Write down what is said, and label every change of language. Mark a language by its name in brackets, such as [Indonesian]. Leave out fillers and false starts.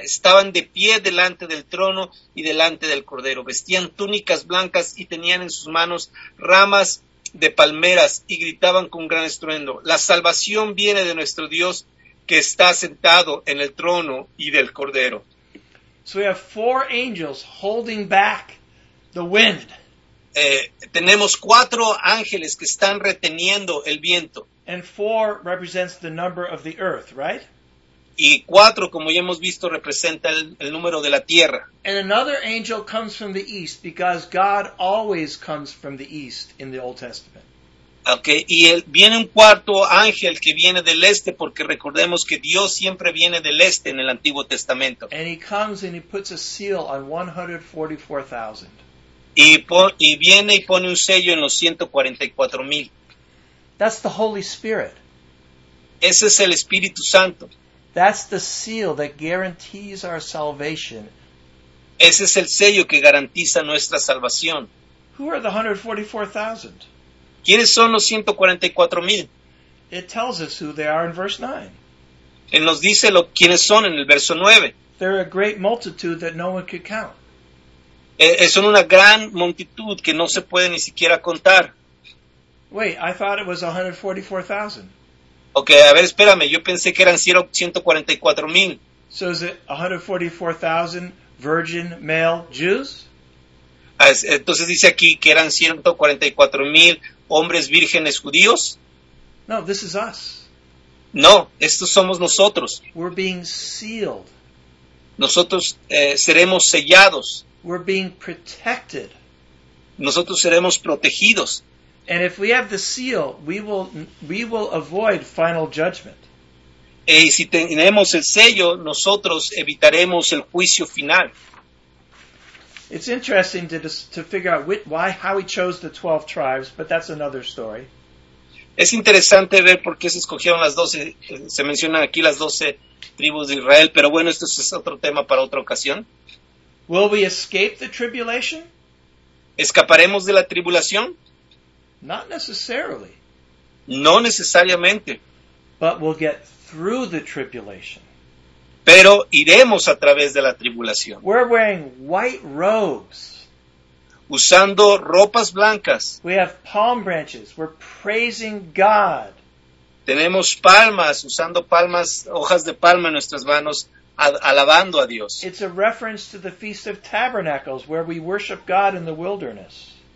[Spanish] Estaban de pie delante del trono y delante del Cordero. Vestían túnicas blancas y tenían en sus manos ramas de palmeras y gritaban con gran estruendo: la salvación viene de nuestro Dios que está sentado en el trono y del Cordero. [English] So we have four angels holding back the wind. [Spanish] Tenemos cuatro ángeles que están reteniendo el viento. [English] And four represents the number of the earth, right? [Spanish] Y cuatro, como ya hemos visto, representa el número de la tierra. [English] And another angel comes from the east, because God always comes from the east in the Old Testament. [Spanish] Okay, y viene un cuarto ángel que viene del este, porque recordemos que Dios siempre viene del este en el Antiguo Testamento. [English] And he comes and he puts a seal on 144,000. [Spanish] Y viene y pone un sello en los 144,000. [English] That's the Holy Spirit. [Spanish] Ese es el Espíritu Santo. [English] That's the seal that guarantees our salvation. [Spanish] Ese es el sello que garantiza nuestra salvación. [English] Who are the 144,000? [Spanish] ¿Quiénes son los 144,000? [English] It tells us who they are in verse 9. [Spanish] Él nos dice quiénes son en el verso 9. [English] They're a great multitude that no one could count. [Spanish] Son una gran multitud que no se puede ni siquiera contar. [English] Wait, I thought it was 144,000. [Spanish] Okay, a ver, espérame. Yo pensé que eran 144,000. [English] So is it 144,000 virgin male Jews? [Spanish] Entonces dice aquí que eran 144,000 hombres vírgenes judíos. [English] No, this is us. [Spanish] No, estos somos nosotros. [English] We're being sealed. [Spanish] Nosotros seremos sellados. [English] We're being protected. [Spanish] Nosotros seremos protegidos. [English] And if we have the seal, we will avoid final judgment. [Spanish] Y si tenemos el sello, nosotros evitaremos el juicio final. [English] It's interesting to figure out how he chose the 12 tribes, but that's another story. [Spanish] Es interesante ver por qué se escogieron las 12, se mencionan aquí las 12 tribus de Israel, pero bueno, esto es otro tema para otra ocasión. [English] Will we escape the tribulation? [Spanish] ¿Escaparemos de la tribulación? [English] Not necessarily. [Spanish] No necesariamente. [English] But we'll get through the tribulation. [Spanish] Pero iremos a través de la tribulación. [English] We're wearing white robes. [Spanish] Usando ropas blancas. [English] We have palm branches. We're praising God. [Spanish] Tenemos palmas, usando palmas, hojas de palma en nuestras manos, alabando a Dios. [English] It's a reference to the Feast of Tabernacles, where we worship God in the wilderness.